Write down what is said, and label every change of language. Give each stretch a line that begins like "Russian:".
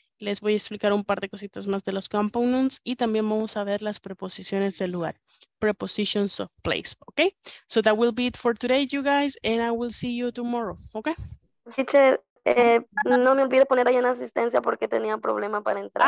Spanish: Les voy a explicar un par de cositas más de los compounds y también vamos a ver las preposiciones del lugar.
English: Prepositions of place, okay? So that will be it for today, you guys, and I will see you tomorrow, okay?
Spanish: Teacher, no me olvide poner ahí en asistencia porque tenía problema para entrar.